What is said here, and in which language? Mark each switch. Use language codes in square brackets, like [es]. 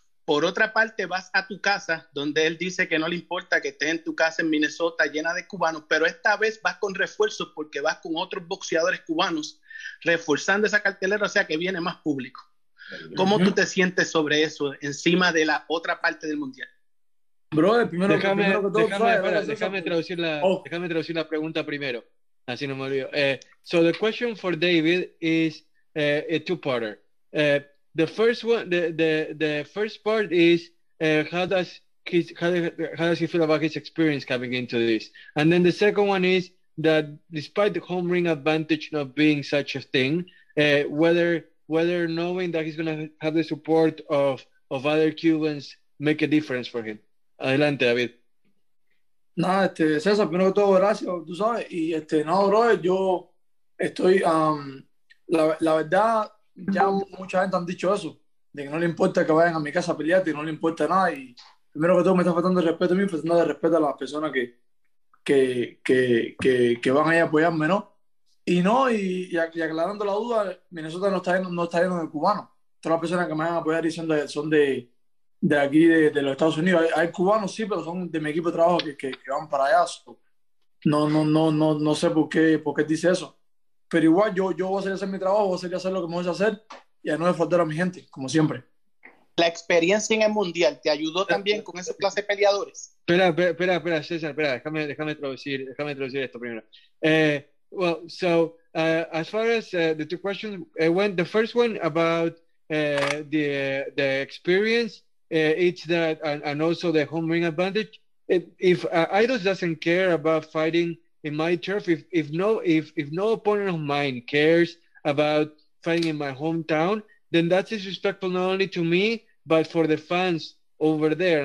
[es] Por otra parte, vas a tu casa, donde él dice que no le importa que estés en tu casa en Minnesota, llena de cubanos, pero esta vez vas con refuerzos porque vas con otros boxeadores cubanos reforzando esa cartelera, o sea que viene más público. ¿Cómo tú te sientes sobre eso, encima de la otra parte del mundial? Bro, déjame traducir la pregunta primero, así no me olvido. [en] So the question for David is a two-parter. The first part is how does he feel about his experience coming into this? And then the second one is that despite the home ring advantage not being such a thing, whether knowing that he's going to have the support of other Cubans make a difference for him. [es] Adelante, David. Nada, César, primero que todo, gracias, tú sabes. Y bro, yo estoy, la verdad, ya mucha gente han dicho eso, de que no le importa que vayan a mi casa a pelear, que no le importa nada. Y primero que todo, me está faltando el respeto a mí, faltando el respeto a las personas que van ahí a apoyarme, ¿no? Y no, y aclarando la duda, Minnesota no está yendo de cubano. Todas las personas que me van a apoyar diciendo son de aquí, de los Estados Unidos. Hay cubanos, sí, pero son de mi equipo de trabajo que van para allá. No sé por qué dice eso. Pero igual, yo voy a seguir haciendo mi trabajo, voy a seguir haciendo lo que me voy a hacer y a no defraudar a mi gente, como siempre. La experiencia en el Mundial, ¿te ayudó también con esa clase de peleadores? Espera, César, espera, déjame traducir esto primero. [en] Well, so as far as the two questions, went, the first one about the experience, it's that, and also the home ring advantage. If Eidos doesn't care about fighting in my turf, if no opponent of mine cares about fighting in my hometown, then that's disrespectful not only to me, but for the fans over there.